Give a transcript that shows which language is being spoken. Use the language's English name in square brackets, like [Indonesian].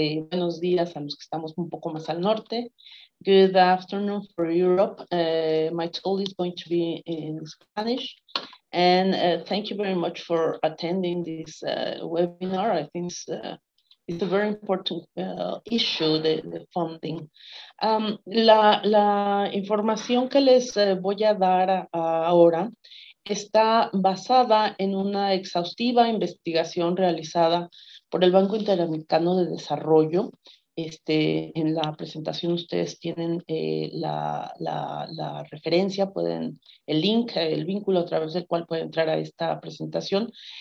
[Spanish] Buenos días a los que estamos un poco más al norte. [English] Good afternoon for Europe. My talk is going to be in Spanish. And thank you very much for attending this webinar. I think it's a very important issue, the funding. [Spanish] La información que les voy a dar ahora está basada en una exhaustiva investigación realizada por el Banco Interamericano de Desarrollo. En la presentación ustedes tienen la referencia, pueden el link, el vínculo a través del cual pueden entrar a esta presentación.